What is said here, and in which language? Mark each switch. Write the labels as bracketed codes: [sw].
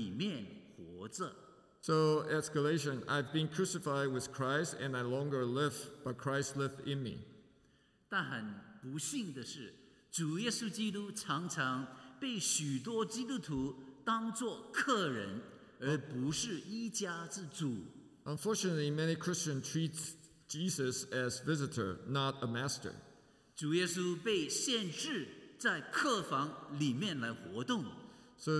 [zh] 正如加拉太书第二章二十节说，我已经与基督同钉十字架，现在活着的不再是我，乃是基督在我里面活着。 [en] So as Galatians, I've been crucified with Christ, and I longer live, but Christ lives in me. [zh] 但很不幸的是， 主耶稣基督常常被许多基督徒当作客人，而不是一家之主。 [en] Unfortunately, many Christians treat Jesus as visitor, not a master. [zh] 主耶稣被限制在客房里面来活动。 [en] So